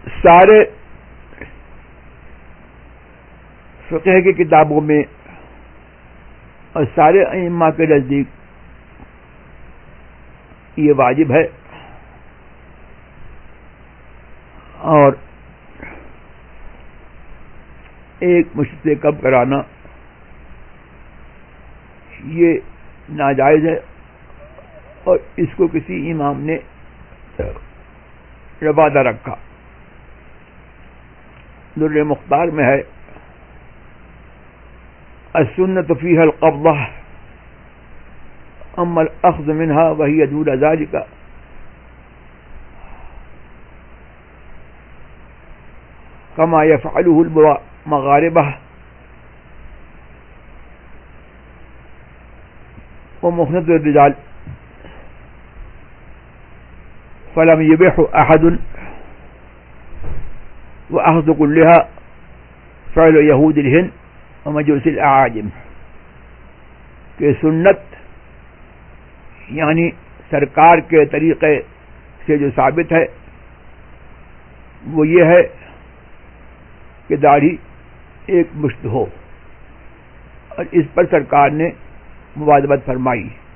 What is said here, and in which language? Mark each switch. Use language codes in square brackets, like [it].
[ur] سارے فقہ کی کتابوں میں اور سارے ائمہ کے نزدیک یہ واجب ہے, اور ایک مشت سے کب کرانا یہ ناجائز ہے, اور اس کو کسی امام نے روادہ رکھا. [ar] در مختار [ur] میں ہے [ar] السنة فيها القبضة اما الاخذ منها وهي دون ذلك كما يفعله المغاربة ومخنط الرجال فلم يبح احد واخذ كلها فعل يهود الهند مجوس الاعاجم. [ur] کہ سنت یعنی سرکار کے طریقے سے جو ثابت ہے وہ یہ ہے کہ داڑھی ایک مشت ہو, اور اس پر سرکار نے موازبت فرمائی.